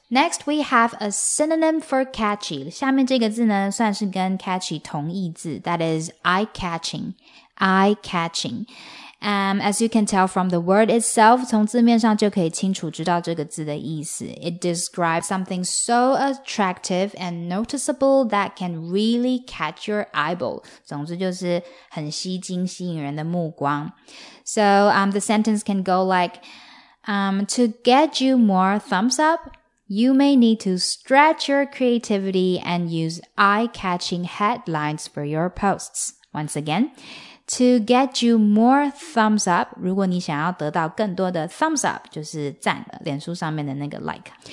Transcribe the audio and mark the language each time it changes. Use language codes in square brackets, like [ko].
[en] Next, we have a synonym for catchy. [zh] 下面这个字呢算是跟 catchy 同义字， [en] that is eye-catching. As you can tell from the word itself, [zh] 从字面上就可以清楚知道这个字的意思。 [en] It describes something so attractive and noticeable that can really catch your eyeball. [zh] 总之就是很吸睛、吸引人的目光。 [en] So, the sentence can go like, to get you more thumbs up, you may need to stretch your creativity and use eye-catching headlines for your posts. Once again, To get you more thumbs up, [zh] 如果你想要得到更多的 thumbs up, 就是赞了脸书上面的那个 like.